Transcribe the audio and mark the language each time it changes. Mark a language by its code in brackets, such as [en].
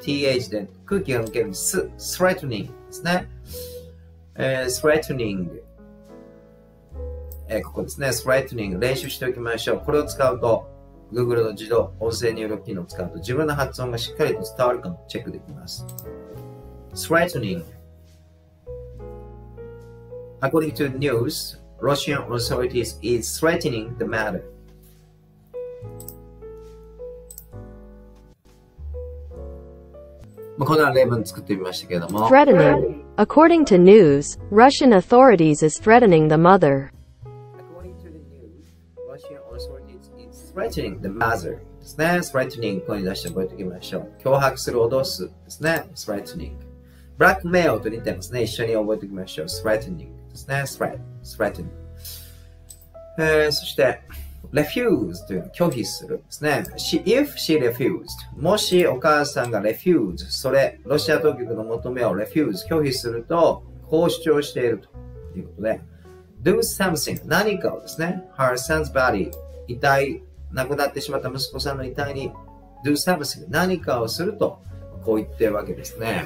[ja] th で空気が抜けるす threatening ですね、threatening、ここですね threatening 練習しておきましょう。これを使うと Google の自動音声入力機能を使うと自分の発音がしっかりと伝わるかもチェックできます。 [en] threatening according to the newsRussian authorities is threatening the matter. [ja] まあ、こんな例文作ってみましたけども。 [en] Threatening. According to news, Russian authorities is threatening the mother. According to the news, Russian authorities is threatening the mother. [ja] ですね。Threatening. ここに出して覚えておきましょう。脅迫する、脅す。ですね。Threatening. Blackmail と似てますね。一緒に覚えておきましょう。Threatening. ですね。 Threatening. そして refuse というのは拒否するですね。 [en] If she refused [ja] もしお母さんが refuse それロシア当局の求めを refuse 拒否するとこう主張しているということで do something 何かをですね [en] her son's body [ja] 遺体亡くなってしまった息子さんの遺体に do something 何かをするとこう言ってるわけですね。